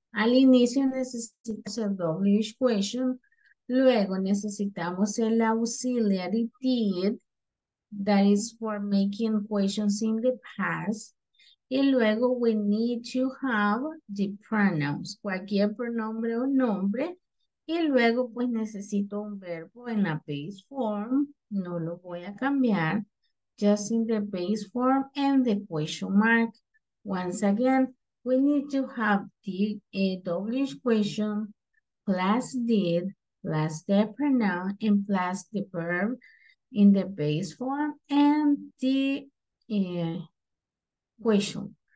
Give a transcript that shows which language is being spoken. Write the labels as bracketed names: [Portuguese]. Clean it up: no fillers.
[Spanish] Al inicio necesitamos el WH question. Luego necesitamos el auxiliary did. [English] That is for making questions in the past. [Spanish] Y luego [English] we need to have the pronouns. [Spanish] Cualquier pronombre o nombre. Y luego pues necesito un verbo en la base form. No lo voy a cambiar. [English] Just in the base form and the question mark. Once again, we need to have the WH question plus did plus the pronoun and plus the verb in the base form and the question.